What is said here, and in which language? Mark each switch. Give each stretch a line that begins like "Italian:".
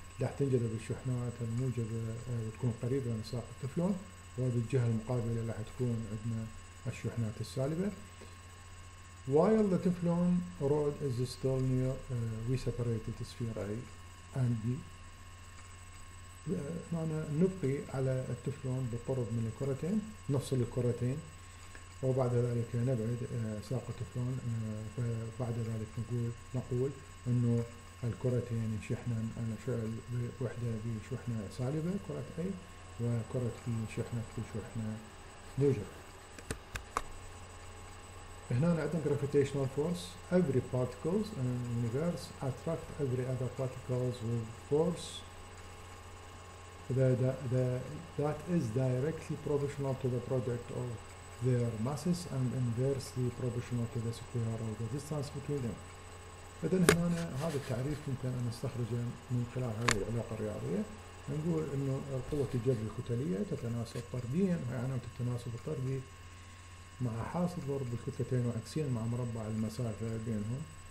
Arabic: راح تنجذب الشحنات الموجبة وتكون قريبة من ساق التفلون, وبالجهة المقابلة راح تكون عندنا الشحنات السالبة.
English: While the teflon rod is still near, we separate the sphere A and B.
Arabic: هنا نبقي على التفلون بقرب من الكرتين, نفصل الكرتين وبعد ذلك نبعد ساق التفلون. فبعد ذلك نقول انه الكرتين شحنا الفعل وحده بشحنه سالبه كره A وكره B شحنه بشحنه موجبه. هنا عندنا
English: gravitational force. Every particles in the universe attract every other particles with force that is directly proportional to the product of their masses and inversely proportional to the square of the distance between them.
Arabic: إذن هنا هذا التعريف يمكن أن نستخرجه من خلال هذه العلاقة الرياضية. نقول إنه قوة الجذب الكتلية تتناسب طردياً, يعني تتناسب الطردي مع حاصل ضرب الكتلتين وعكسياً مع مربع المسافة بينهم.